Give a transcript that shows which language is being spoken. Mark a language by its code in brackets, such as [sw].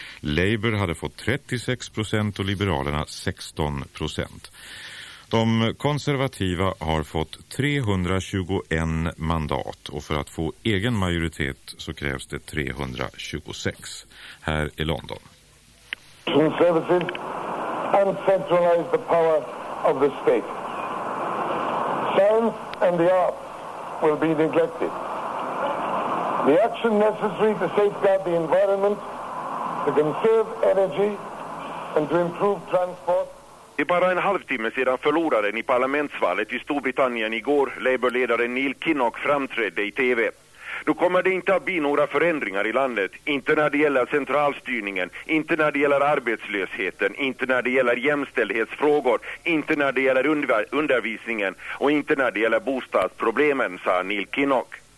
[sv] Labour hade fått 36% och Liberalerna 16%. De konservativa har fått 321 mandat och för att få egen majoritet så krävs det 326. Här i London. [en] Conservative and centralize the power of the state. Science and the arts will be neglected. The action necessary to safeguard the environment, to conserve energy and to improve transport. [sv] Det är bara en halvtimme sedan förloraren i parlamentsvalet i Storbritannien igår, Labour-ledaren Neil Kinnock, framträdde i TV. Då kommer det inte att bli några förändringar i landet, inte när det gäller centralstyrningen, inte när det gäller arbetslösheten, inte när det gäller jämställdhetsfrågor, inte när det gäller undervisningen och inte när det gäller bostadsproblemen, sa Neil Kinnock.